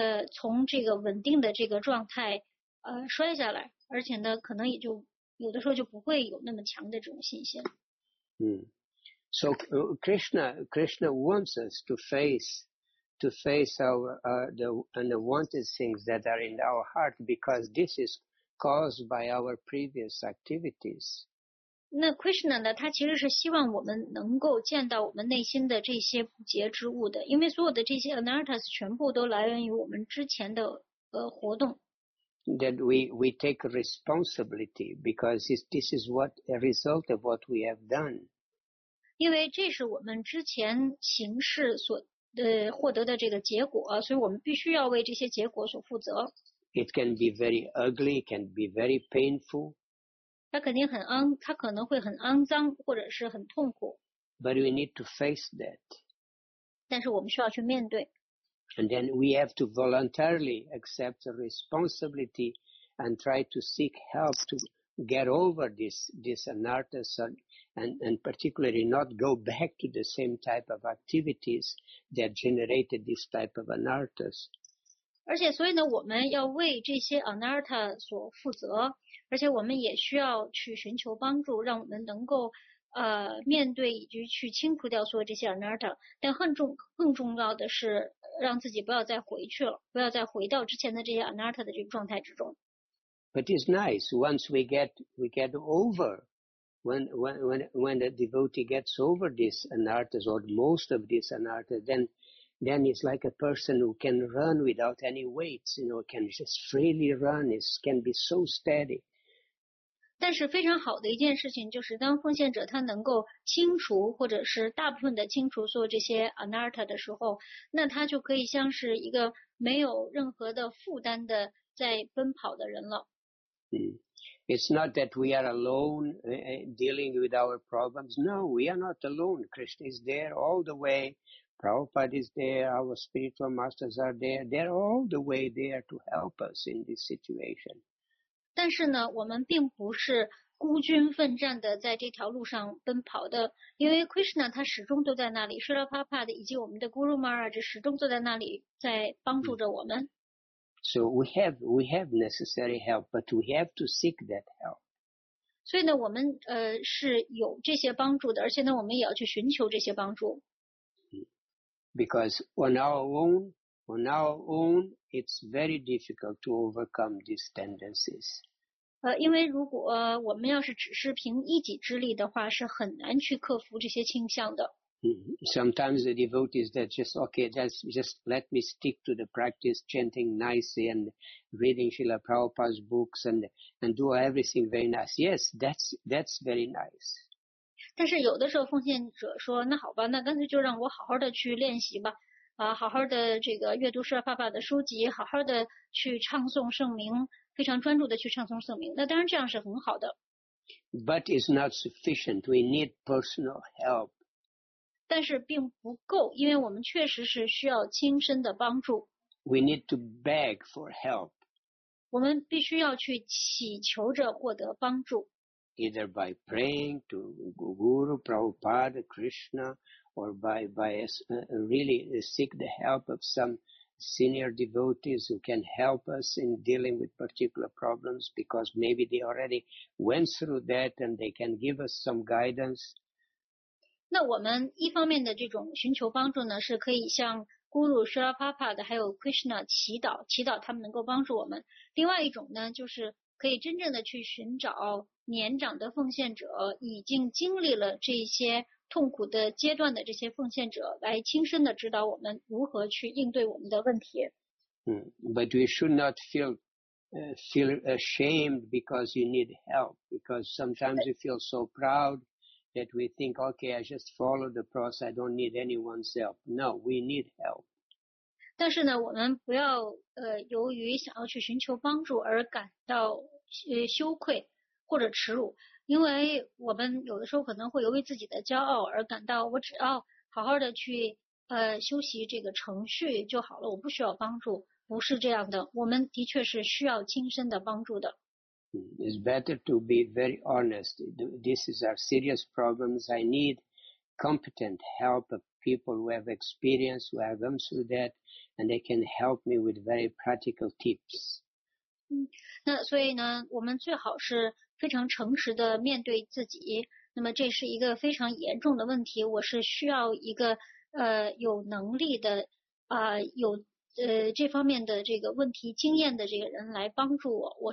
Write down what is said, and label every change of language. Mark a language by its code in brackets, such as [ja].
[zh] 从这个稳定的这个状态摔下来，而且呢可能也就有的时候就不会有那么强的这种信心。 [en] So Krishna wants us to face the unwanted things that are in our heart, because this is caused by our previous activities. [zh] 那 Krishna 呢，他其实是希望我们能够见到我们内心的这些不洁之物的，因为所有的这些 anarthas 全部都来源于我们之前的活动。 [en] That we take responsibility, because this is what a result of what we have done. [zh] 因为这是我们之前行事所获得的这个结果，所以我们必须要为这些结果所负责。 [en] It can be very ugly, it can be very painful. [zh] 它肯定很肮，它可能会很肮脏，或者是很痛苦。 [en] But we need to face that. [zh] 但是我们需要去面对。 [en] And then we have to voluntarily accept the responsibility and try to seek help to get over this anarthas and particularly not go back to the same type of activities that generated this type of anarthas. [zh] 而且，所以呢，我们要为这些 anartha 所负责。而且我们也需要去寻求帮助，让我们能够面对以及去清除掉所有这些 anartha。但更重要的是，让自己不要再回去了，不要再回到之前的这些 anartha 的这个状态之中。 [en] But it's nice once we get over when the devotee gets over these anartha or most of these anartha, then it's like a person who can run without any weights, you know, can just freely run. It can be so steady. [zh] 但是非常好的一件事情就是，当奉献者他能够清除或者是大部分的清除所有这些 anartha 的时候，那他就可以像是一个没有任何的负担的在奔跑的人了。 [en] It's not that we are alone dealing with our problems. No, we are not alone. Krishna is there all the way, Prabhupada is there, our spiritual masters are there. They're all the way there to help us in this situation. [zh] 但是呢，我们并不是孤军奋战的在这条路上奔跑的，因为 Krishna 他始终都在那里 ，Srila Prabhupada 以及我们的 Guru Maharaj 始终都在那里在帮助着我们。 [en] So we have necessary help, but we have to seek that help. [zh] 所以呢，我们是有这些帮助的，而且呢，我们也要去寻求这些帮助。 [en] Because on our own, it's very difficult to overcome these tendencies. [zh] 因为如果我们要是只是凭一己之力的话，是很难去克服这些倾向的。 [en] Sometimes the devotees that just okay, just let me stick to the practice, chanting nicely and reading Srila Prabhupada's books and do everything very nice. Yes, that's very nice. [zh] 但是有的时候奉献者说那好吧那干脆就让我好好的去练习吧好好的这个阅读释迦牟尼佛的书籍好好的去唱诵圣名非常专注的去唱诵圣名那当然这样是很好的。 [en] But it's not sufficient, we need personal help. [zh] 但是并不够因为我们确实是需要亲身的帮助。 [en] We need to beg for help. [zh] 我们必须要去祈求着获得帮助。 [en] Either by praying to Guru, Prabhupada, Krishna, or by really seek the help of some senior devotees who can help us in dealing with particular problems because maybe they already went through that and they can give us some guidance. [zh] 那我们一方面的这种寻求帮助呢是可以向 Guru, Srila Prabhupada, 还有 Krishna 祈祷他们能够帮助我们。另外一种呢就是可以真正的去寻找年长的奉献者已经经历了这些痛苦的阶段的这些奉献者来亲身的指导我们如何去应对我们的问题。 [en] But we should not feel ashamed because you need help, because sometimes you feel so proud that we think, okay, I just follow the process, I don't need anyone's help. No, we need help. [zh] 但是呢，我们不要由于想要去寻求帮助而感到羞愧或者耻辱，因为我们有的时候可能会由于自己的骄傲而感到我只要好好的去修习这个程序就好了，我不需要帮助，不是这样的，我们的确是需要亲身的帮助的。 [en] It's better to be very honest. This is our serious problems. I need competent help of people who have experience, who have gone through that. And they can help me with very practical tips. [zh] 那所以呢，我们最好是非常诚实的面对自己。那么这是一个非常严重的问题，我是需要一个有能力的有这方面的这个问题经验的这个人来帮助我。